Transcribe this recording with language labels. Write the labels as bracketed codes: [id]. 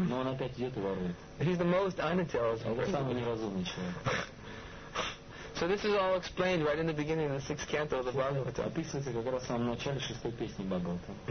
[ru] Но он опять идет и ворует. [en] He's the most unintelligent. [ru] Это самый неразумный человек. [en] So this is all explained right in the beginning of the sixth canto of the Bhagavata. [ru] Описывается как раз в самом начале шестой песни Бхагавата.